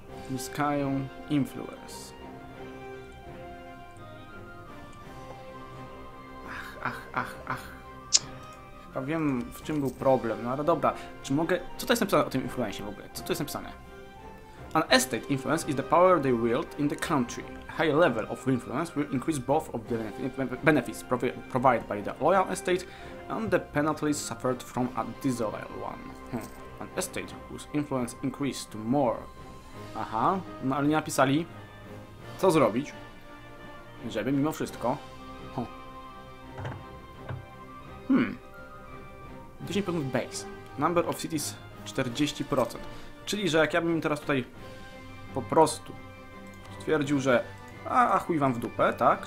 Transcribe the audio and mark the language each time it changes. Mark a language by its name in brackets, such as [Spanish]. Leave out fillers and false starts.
[Polish] Zyskają influence. Ach, ach, ach, ach. Chyba wiem, w czym był problem. No ale dobra, czy mogę... Co to jest napisane o tym influence w ogóle? Co to jest napisane? [English] An estate influence is the power they wield in the country. A high level of influence will increase both of the benefits provided by the loyal estate and the penalties suffered from a disloyal one. An estate whose influence increased to more. [Polish] Aha, no ale nie napisali, co zrobić, żeby mimo wszystko... [English] Hmm. 10% base. Number of cities 40%. [Polish] Czyli, że jak ja bym teraz tutaj po prostu stwierdził, że a chuj wam w dupę, tak?